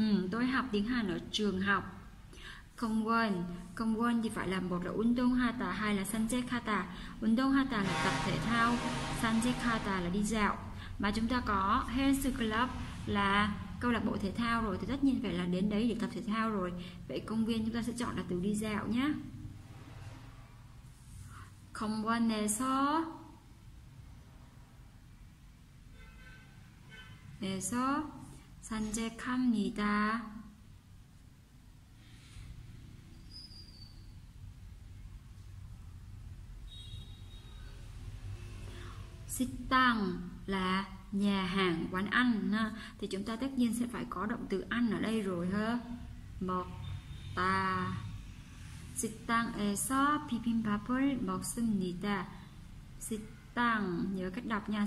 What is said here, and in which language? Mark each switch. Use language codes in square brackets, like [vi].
[vi] Tôi học tiếng Hàn ở trường học. 공원, 공원 thì phải là một là 운동하다, hai là 산책하다. 운동하다 là tập thể thao, 산책하다 là đi dạo. Mà chúng ta có Hans Club là câu lạc bộ thể thao rồi thì tất nhiên phải là đến đấy để tập thể thao rồi. Vậy công viên chúng ta sẽ chọn là từ đi dạo nhé. [ko] 공원에서 에서 산책합니다. [vi] 식당 là nhà hàng, quán ăn ha. Thì chúng ta tất nhiên sẽ phải có động từ ăn ở đây rồi ha. [ko] 먹다 식당에서 비빔밥을 먹습니다. [vi] 식당 nhớ cách đọc nha.